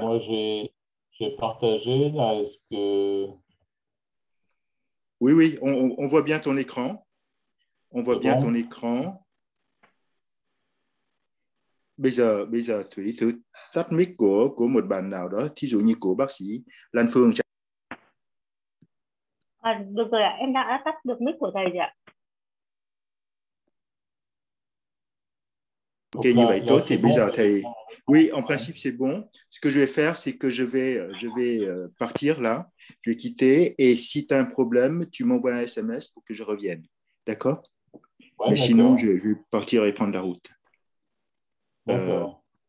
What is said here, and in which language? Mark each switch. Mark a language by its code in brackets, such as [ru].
[fr] Moi, j'ai partagé, là, est-ce que... Oui, oui, on voit bien ton écran. On voit bien ton écran. [vi] Bây giờ Thuy thử tắt mic của một bạn nào đó, thí dụ như của bác sĩ Lan Phương. À, được rồi ạ, em đã tắt được mic của thầy rồi ạ. Ok, như vậy tốt, thì bây giờ thầy... [fr] Oui, en principe, c'est bon. Ce que je vais faire, c'est que je vais partir là, je vais quitter, et si tu as un problème, tu m'envoies un SMS pour que je revienne. D'accord? Ouais, d'accord. Sinon, je vais partir et prendre la route. D'accord.